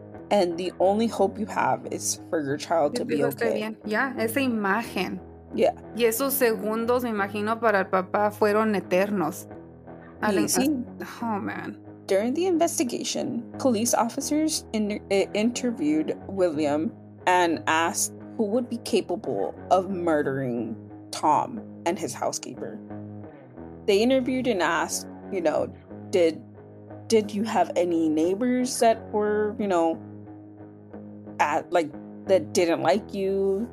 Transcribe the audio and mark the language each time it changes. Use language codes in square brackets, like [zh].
[en] And the only hope you have is for your child to be okay. [es] Bien. [en] Yeah, [es] esa imagen. [en] Yeah. [es] Y esos segundos, me imagino, para el papá fueron eternos. [en] Oh, man. During the investigation, police officers interviewed William and asked who would be capable of murdering Tom and his housekeeper. They interviewed and asked, you know, did you have any neighbors that were, you know, that didn't like you?